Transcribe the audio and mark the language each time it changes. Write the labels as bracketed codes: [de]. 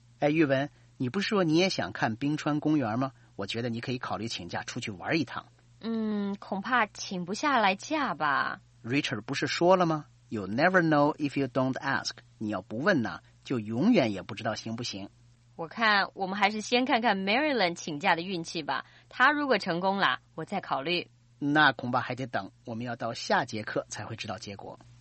[zh] 哎，玉文，你不是说你也想看冰川公园吗？我觉得你可以考虑请假出去玩一趟。恐怕请不下来假吧。 Richard 不是说了吗？ [en] You never know if you don't ask. [zh] 你要不问呢，就永远也不知道行不行。我看我们还是先看看 Marilyn 请假的运气吧。她如果成功了，我再考虑。那恐怕还得等，我们要到下节课才会知道结果。